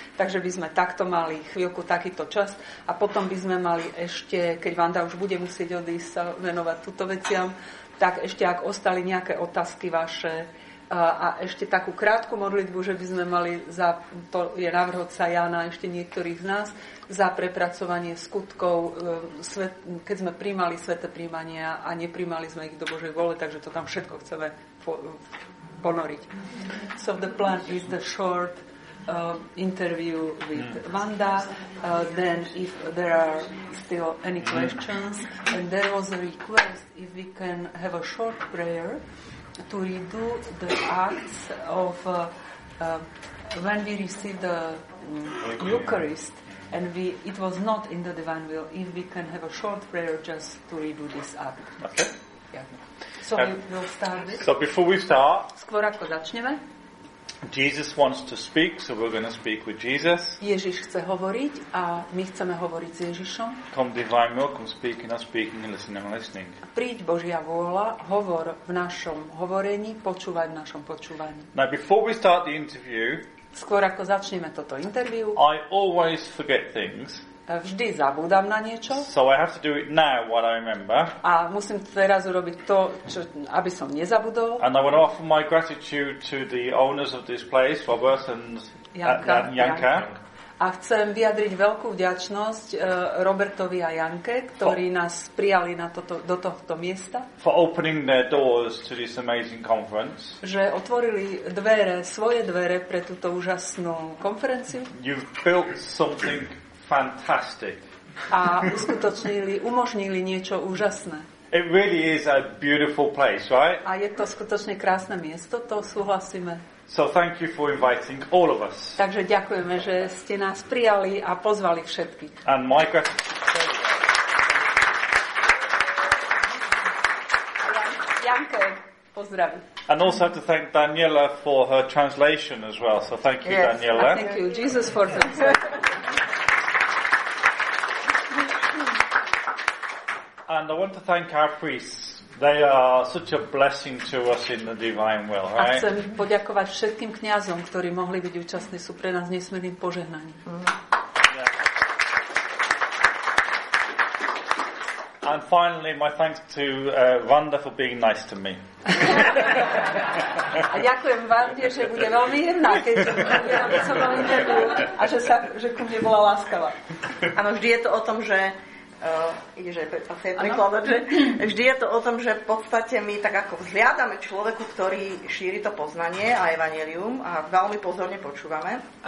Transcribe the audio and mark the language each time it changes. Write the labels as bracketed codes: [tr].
[sk] Takže by sme takto mali chvíľku takýto čas a potom by sme mali ešte, keď Vanda už bude musieť odísť sa venovať túto veciam, tak ešte ak ostali nejaké otázky vaše, a ešte takú krátku modlitbu, že by sme mali za, to je návrh otca Jána, ešte niektorých z nás, za prepracovanie skutkov, keď sme prijímali sväté prijímania a neprijímali sme ich do Božej vole, takže to tam všetko chceme ponoriť. [en] So the plan is the short interview with Vanda, then if there are still any questions, and there was a request if we can have a short prayer to redo the acts of when we receive the Eucharist and we it was not in the divine will, if we can have a short prayer just to redo this act. Okay. Yeah. So we'll start with. So before we start, [sk] skôr ako začneme, [en] Jesus wants to speak, so we're going to speak with Jesus. [sk] Ježiš chce hovoriť a my chceme hovoriť s Ježišom. [en] Come divine will, come speak in our speaking and listen and listening. [sk] Príď Božia vôľa, hovor v našom hovorení, počúvaj v našom počúvaní. [en] Now before we start the interview, [sk] skôr ako začneme toto interview, [en] I always forget things. [sk] Vždy zabúdam na niečo. [en] So I have to do it now what I remember. [sk] A musím teraz urobiť to, čo, aby som nezabudol. [en] And I want to offer my gratitude to the owners of this place, Robert and Janka. [sk] A chcem vyjadriť veľkú vďačnosť Robertovi a Janke, ktorí nás prijali na toto, do tohto miesta. [en] For opening their doors to this amazing conference. [sk] Že otvorili dvere, svoje dvere pre túto úžasnú konferenciu. [en] You've built something fantastic. [sk] A uskutočnili, umožnili niečo úžasné. [en] It really is a beautiful place, right? [sk] A je to skutočne krásne miesto, to súhlasíme. [en] So thank you for inviting all of us. [sk] Takže ďakujeme, že ste nás prijali a pozvali všetkých. [en] And my gratitude. [sk] Janke, pozdraví. [en] And also have to thank Daniela for her translation as well. So thank you, yes. Daniela. And thank you, Jesus, for translation. And I want to thank our priests. They are such a blessing to us in the divine will, right? [sk] A chcem poďakovať všetkým kňazom, ktorí mohli byť účastní, sú pre nás nesmierným požehnaním. [en] Yeah. And finally, my thanks to Vanda for being nice to me. [sk] A ďakujem Vande, že bude veľmi jedná, keď som mal interviu a že, sa, že ku mne bola láskavá. Áno, vždy je to o tom, že vždy je to o tom, že v podstate my tak ako vzhliadame človeku, ktorý šíri to poznanie a evanjelium a veľmi pozorne počúvame.